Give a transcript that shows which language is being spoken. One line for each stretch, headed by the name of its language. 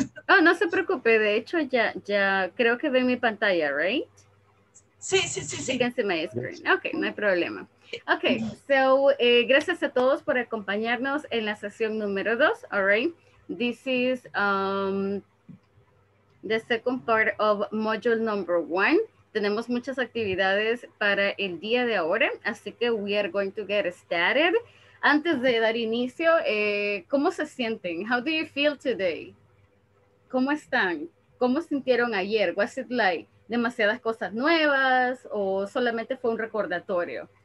Spanish: Oh, no se preocupe, de hecho ya creo que ve mi pantalla,
English: right?
Spanish: Sí.
English: You can see my screen. Ok,
Spanish: no hay problema.
English: Ok, so
Spanish: gracias a todos por acompañarnos en la sesión número 2,
English: all right? This is the second part of module number 1.
Spanish: Tenemos muchas actividades para el día de ahora, así que
English: we are going to get started.
Spanish: Antes de dar inicio, ¿cómo se sienten?
English: How do you feel today?
Spanish: ¿Cómo están? ¿Cómo sintieron ayer?
English: Was it like
Spanish: demasiadas cosas nuevas o solamente fue un recordatorio?